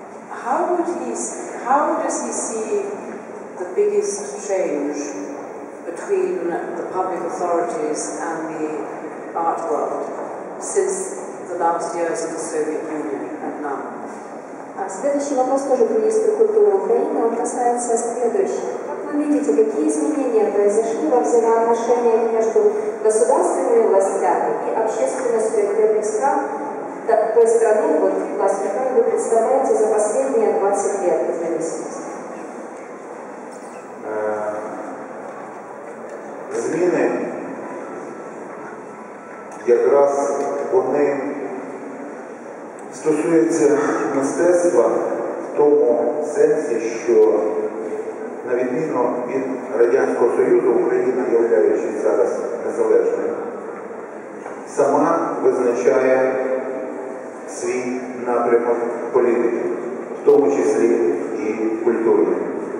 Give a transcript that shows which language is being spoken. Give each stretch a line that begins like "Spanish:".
English: How does he see the biggest change between the public authorities and the art world since the last years of the Soviet Union and now?
Russian: Следующий вопрос тоже к министру культуры Украины, он касается следующего. Как вы видите, какие изменения произошли во взаимоотношениях между государственными властями и общественностью отдельных стран? Той страны, вот власть, которую вы представляете за последние 20 лет независимости.
Ukrainian: Змены, как раз вони стосуються мистецтва в тому сенсі, що на відміну від Радянського Союзу, Україна, являючись зараз незалежною, сама визначає свій напрямок політики, в тому числі і культурний.